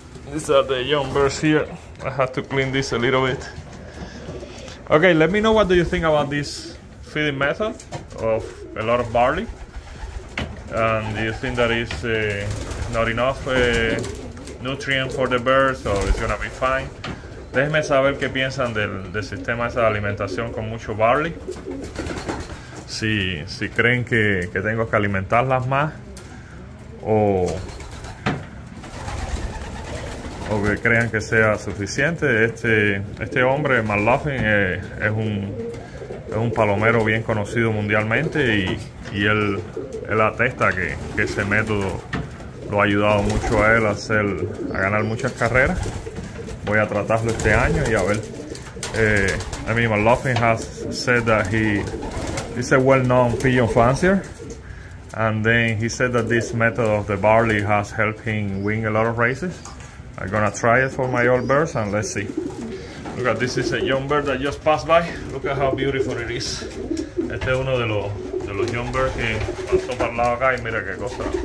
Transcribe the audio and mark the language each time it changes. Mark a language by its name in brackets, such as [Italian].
[English] These are the young birds here. I have to clean this a little bit. Okay, let me know what do you think about this feeding method of a lot of barley. And do you think that is not enough nutrient for the birds, or it's gonna be fine? [Spanish] Déjenme saber qué piensan del, del sistema de alimentación con mucho barley. Si, si creen que tengo que alimentarlas más, o que crean que sea suficiente. Este, este hombre, Mclaughlin, es un palomero bien conocido mundialmente y él, él atesta que ese método lo ha ayudado mucho a él a, hacer, a ganar muchas carreras. Voy a tratarlo este año y a ver. [English] I mean, Mclaughlin has said that he's a well-known pigeon fancier. And then he said that this method of the barley has helped him win a lot of races. I'm gonna try it for my old birds and let's see. Look at this, is a young bird that just passed by. Look at how beautiful it is. [Spanish] Este es uno de los [English] young birds [Spanish] que pasó para el lado acá y mira qué cosa.